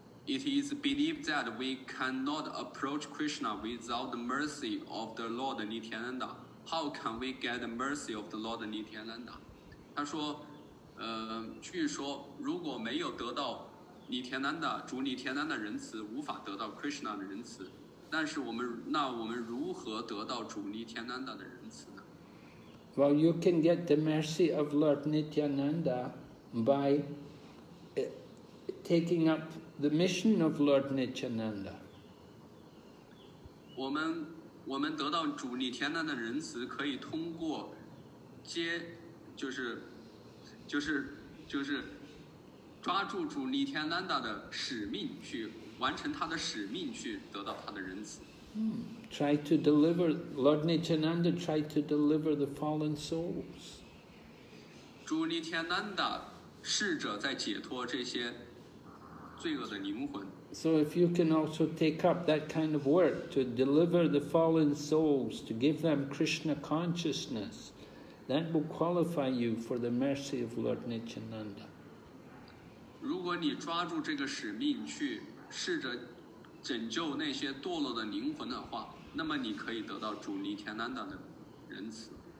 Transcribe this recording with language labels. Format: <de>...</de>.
<en>It is believed that we cannot approach Krishna without the mercy of the Lord Nityananda. How can we get the mercy of the Lord Nityananda?</en> <zh>他说，据说如果没有得到尼天丹的主尼天丹的仁慈，无法得到 Krishna 的仁慈。但是我们那我们如何得到主尼天丹的仁慈呢</zh> <en>？Well, you can get the mercy of Lord Nityananda by taking up the mission of Lord Nityananda.</en> <zh>我们得到主尼天丹的仁慈，可以通过接，就是。抓住主尼天丹达的使命，去完成他的使命，去得到他的仁慈。</zh> <en>Try to deliver Lord Nityananda. Try to deliver the fallen souls.</en> <zh>主尼天丹达试着在解脱这些罪恶的灵魂。</zh> <en>So if you can also take up that kind of work to deliver the fallen souls, to give them Krishna consciousness, that will qualify you for the mercy of Lord Nityananda.</en> <zh>如果你抓住这个使命去试着拯救那些堕落的灵魂的话，那么你可以得到主尼天丹达的仁慈。</zh>